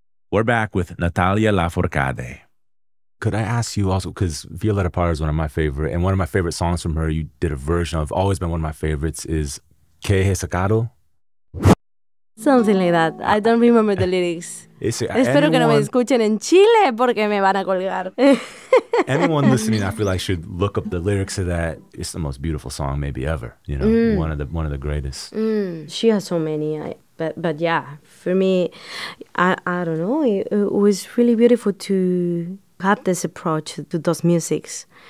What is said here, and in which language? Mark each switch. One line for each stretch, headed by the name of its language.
English: We're back with Natalia Lafourcade. Could I ask you also, because Violetta Parra is one of my favorite, and one of my favorite songs from her, you did a version of, always been one of my favorites, is ¿Qué he sacado? Something like that. I don't remember the lyrics.
Spanish: Espero que no me escuchen en Chile porque me van a colgar.
English: Anyone listening, I feel like, should look up the lyrics of that. It's the most beautiful song maybe ever. You know, one of the greatest. Mm. She has so many. But yeah, for me, I don't know. It was really beautiful to have this approach to those musics.